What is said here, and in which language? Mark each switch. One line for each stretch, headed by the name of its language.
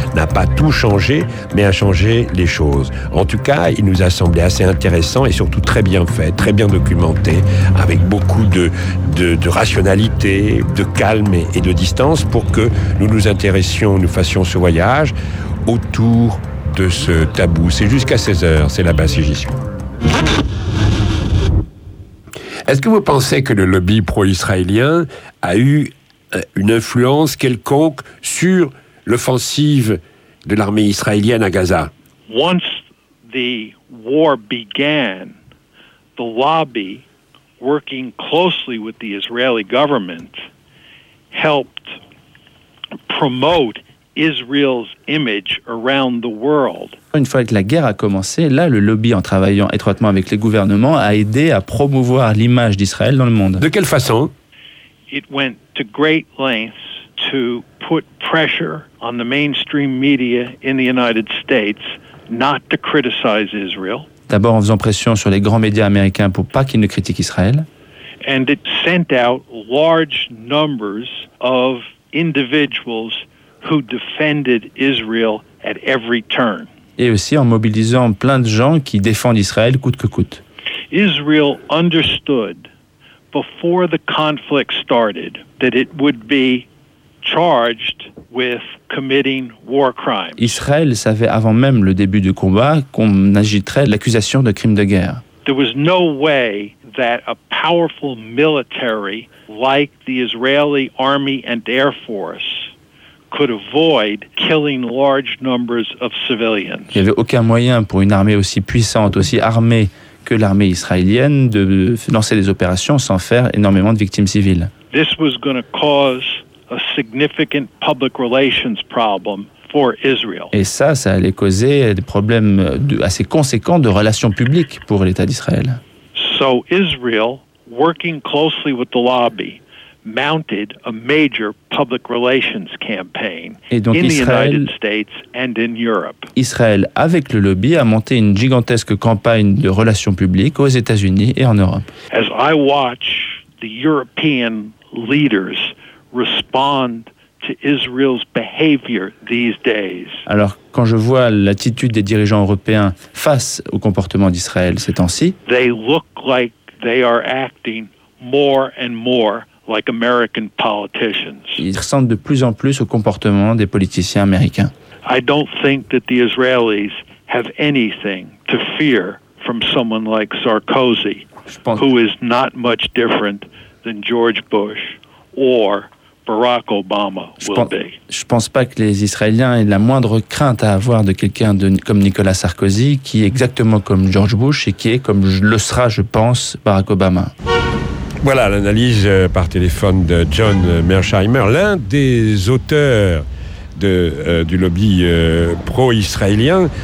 French: N'a pas tout changé, mais a changé les choses. En tout cas, il nous a semblé assez intéressant et surtout très bien fait, très bien documenté, avec beaucoup de rationalité, de calme et de distance pour que nous nous intéressions, nous fassions ce voyage autour de ce tabou. C'est jusqu'à 16h, c'est là-bas si j'y suis. Est-ce que vous pensez que le lobby pro-israélien a eu une influence quelconque sur l'offensive de l'armée israélienne à Gaza?
English: Once the war began, the lobby, working closely with the Israeli government, helped promote Israel's image around the world.
French: Une fois que la guerre a commencé, là, le lobby, en travaillant étroitement avec les gouvernements, a aidé à promouvoir l'image d'Israël dans le monde. De quelle façon?
English: It went to great lengths to put pressure on the mainstream media in the United States not to criticize Israel.
French: D'abord en faisant pression sur les grands médias américains pour pas qu'ils ne critiquent Israël.
English: And it sent out large numbers of individuals who defended Israel at every turn.
French: Et aussi en mobilisant plein de gens qui défendent Israël coûte que coûte.
English: Israel understood before the conflict started that it would be charged with committing war crimes.
French: Israël savait avant même le début du combat qu'on agiterait l'accusation de crime de guerre.
English: There was no way that a powerful military like the Israeli army and air force could avoid killing large numbers of civilians.
French: Il n'y avait aucun moyen pour une armée aussi puissante, aussi armée que l'armée israélienne de lancer des opérations sans faire énormément de victimes civiles.
English: This was going to cause a significant public relations problem for Israel.
French: Et ça allait causer des problèmes assez conséquents de relations publiques pour l'État d'Israël.
English: So Israel, working closely with the lobby, mounted a major public relations campaign in the United States and in Europe.
French: Israël, avec le lobby, a monté une gigantesque campagne de relations publiques aux États-Unis et en Europe.
English: As I watch the European leaders respond to Israel's behavior these days.
French: Alors, quand je vois l'attitude des dirigeants européens face au comportement d'Israël ces temps-ci,
English: they look like they are acting more and more like American politicians.
French: Ils ressemblent de plus en plus au comportement des politiciens américains.
English: I don't think that the Israelis have anything to fear from someone like Sarkozy, who is not much different than George Bush or Barack Obama will be.
French: Je pense pas que les Israéliens aient la moindre crainte à avoir de quelqu'un comme Nicolas Sarkozy, qui est exactement comme George Bush et qui est comme le sera, je pense, Barack Obama. Voilà l'analyse par téléphone de John Mersheimer, l'un des auteurs du lobby pro-israélien.